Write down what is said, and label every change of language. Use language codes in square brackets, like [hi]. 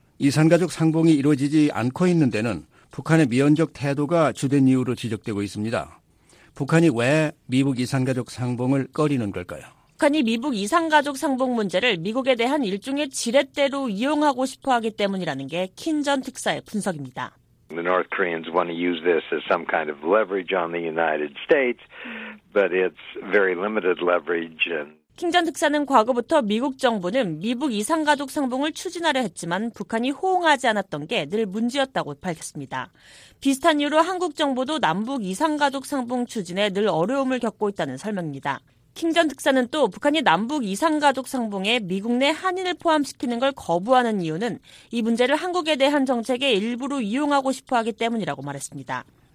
[ko] 이산가족 상봉이 이루어지지 않고 있는 데는 북한의 미온적 태도가 주된 이유로 지적되고 있습니다. 북한이 왜 미북 이산가족 상봉을 꺼리는 걸까요? 북한이 미국 이산가족 상봉 문제를 미국에 대한 일종의 지렛대로 이용하고 싶어 하기 때문이라는 게 킨 전 특사의 분석입니다. [en] The North Koreans want to use this as some kind of leverage on the United States, but it's very limited leverage. [ko] 킹 전 특사는 과거부터 미국 정부는 미북 이산가족 상봉을 추진하려 했지만 북한이 호응하지 않았던 게 늘 문제였다고 밝혔습니다. 비슷한 이유로 한국 정부도 남북 이산가족 상봉 추진에 늘 어려움을 겪고 있다는 설명입니다. 킹 전 특사는 또 북한이 남북 이산가족 상봉에 미국 내 한인을 포함시키는 걸 거부하는 이유는 이 문제를 한국에 대한 정책의 일부로 이용하고 싶어 하기 때문이라고 말했습니다.